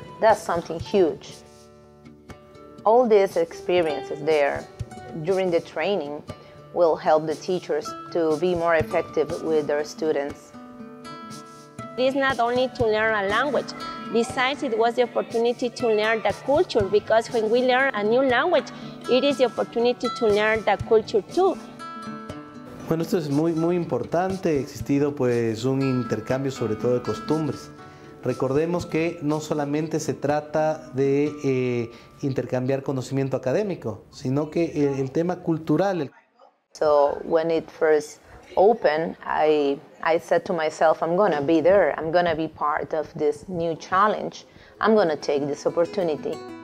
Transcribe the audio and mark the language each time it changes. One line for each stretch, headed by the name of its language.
English: That's something huge. All these experiences there during the training will help the teachers to be more effective with their students. It is not only to learn a language. Besides, it was the opportunity to learn the culture, because when we learn a new language, it is the opportunity to learn the culture too.
Spanish: Bueno, esto es muy, muy importante. Ha existido pues un intercambio, sobre todo de costumbres. Recordemos que no solamente se trata de intercambiar conocimiento académico, sino que el tema cultural.
English: So when it first opened, I said to myself, I'm gonna be there. I'm gonna be part of this new challenge. I'm gonna take this opportunity.